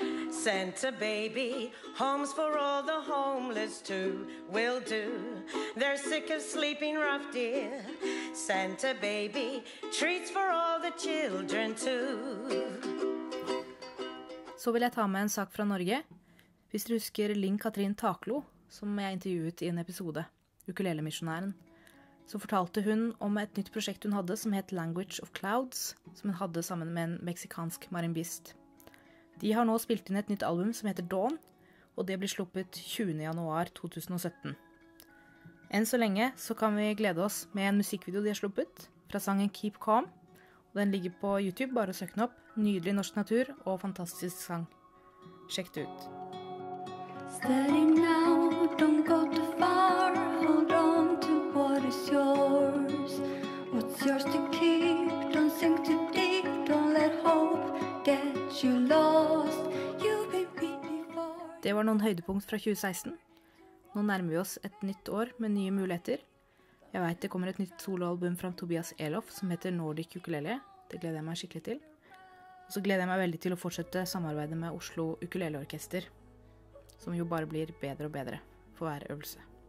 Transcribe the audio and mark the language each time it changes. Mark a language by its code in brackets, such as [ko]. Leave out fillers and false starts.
[en] Santa baby, homes for all the homeless too will do. They're sick of sleeping rough, dear. Santa baby, treats for all the children too. [no] Så vil jeg ta med en sak fra Norge. Hvis du husker Linn-Katrin Taklo, som jeg intervjuet i en episode, ukulelemisjonæren, så fortalte hun om et nytt prosjekt hun hadde som het Language of Clouds, som hun hadde sammen med en meksikansk marimbist. De har nå spilt inn et nytt album som heter Dawn, og det blir sluppet 20. januar 2017. Enn så lenge så kan vi glede oss med en musikkvideo de har sluppet fra sangen Keep Calm. Den ligger på YouTube, bare søk den opp. Nydelig norsk natur og fantastisk sang. Sjekk det ut. [en] Steady now, don't go too far. Hold on to what is yours. What's yours to keep? Don't sink too deep. Don't let hope get you lost. You've been beat before. [no] Det var noen høydepunkt fra 2016. Nå nærmer vi oss et nytt år med nye muligheter. Jeg vet det kommer et nytt soloalbum fra Tobias Elof som heter Nordic Ukulele. Det gleder jeg meg skikkelig til. Og så gleder jeg meg veldig til å fortsette samarbeidet med Oslo Ukuleleorkester, som jo bare blir bedre og bedre for hver øvelse.